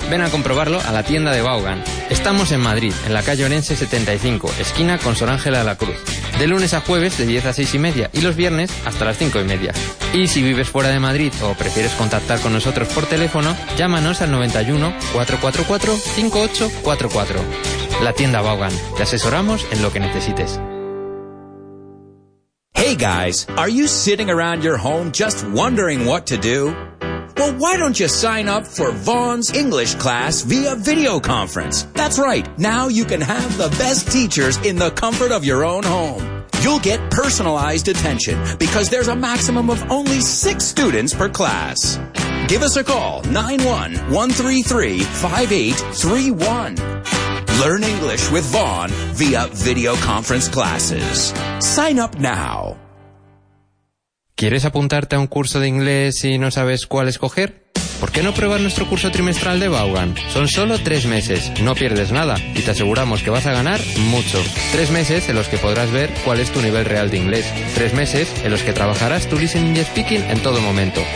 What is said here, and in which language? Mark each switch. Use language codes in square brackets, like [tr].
[es] Ven a comprobarlo a la tienda de Vaughan. Estamos en Madrid, en la calle Orense 75, esquina con Sor Ángela de la Cruz. De lunes a jueves de 10 a 6 y media y los viernes hasta las 5 y media. Y si vives fuera de Madrid o prefieres contactar con nosotros por teléfono, llámanos al 91-444-5844. La tienda Vaughan. Te asesoramos en lo que necesites. [en] Hey guys, are you sitting around your home just wondering what to do? Well, why don't you sign up for Vaughan's English class via video conference? That's right. Now you can have the best teachers in the comfort of your own home. You'll get personalized attention because there's a maximum of only 6 students per class. Give us a call, 91-133-5831. Learn English with Vaughan via video conference classes. Sign up now. [es] ¿Quieres apuntarte a un curso de inglés y no sabes cuál escoger? ¿Por qué no pruebas nuestro curso trimestral de Vaughan? Son solo 3 meses, no pierdes nada y te aseguramos que vas a ganar mucho. 3 meses en los que podrás ver cuál es tu nivel real de inglés. 3 meses en los que trabajarás tu [en] listening and speaking [es] en todo momento.